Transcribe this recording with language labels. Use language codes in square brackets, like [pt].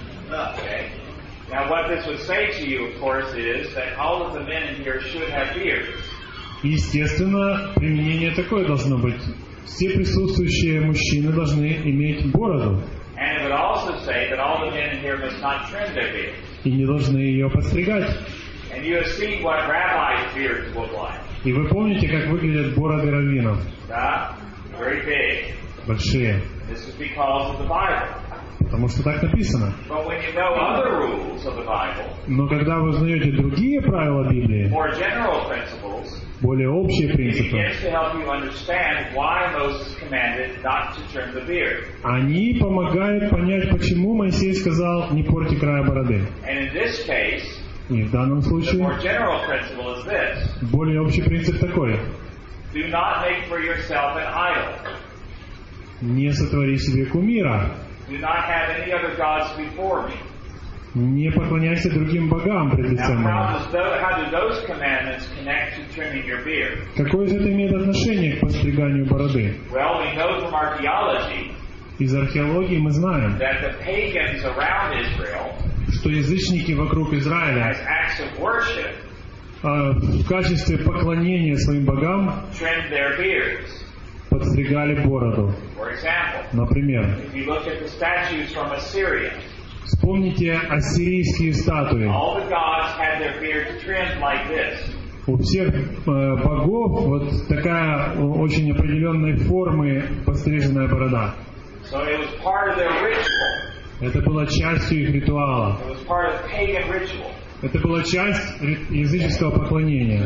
[en] Now what this would say to you, of course, is that all of the men in here should have beards. [ru] Естественно, применение такое должно быть. Все присутствующие мужчины должны иметь бороду. [en] And it would also say that all the men in here must not trim their beards. [ru] И не должны ее подстригать. [en] And you have seen what rabbis' beards look like. [ru] И вы помните, как выглядят бороды раввинов? Да, [en] very big. [ru] Большие. [en] This is because of the Bible. [ru] Потому что так написано. [en] But when you know other rules of the Bible, [ru] но когда вы узнаете другие правила Библии, [en] more general principles, [ru] более общие принципы, они помогают понять, почему Моисей сказал «не порти края бороды». [en] And in this case, [ru] и в данном случае [en] the more general principle is this, [ru] более общий принцип такой: [en] do not make for yourself an idol. [ru] Не сотвори себе кумира. [en] Do not have any other gods before me. [ru] Не поклоняйся другим богам пред лицом моим. Какое же это имеет отношение к подстриганию бороды? [en] Well, we know from archaeology, [ru] из археологии мы знаем, [en] that the pagans around Israel, [ru] что язычники вокруг Израиля [en] as acts of worship, [ru] в качестве поклонения своим богам [en] trim their beards. [ru] Подстригали бороду. [en] For example, [ru] например, [en] if you look at the statues from Assyria, [ru] вспомните ассирийские статуи. [en] All the gods had their beards trimmed like this. [ru] У всех богов вот такая очень определенной формы подстриженная борода. [en] So it was part of their ritual. [ru] Это было частью их ритуала. [en] It was part of pagan ritual. [ru] Это была часть языческого поклонения.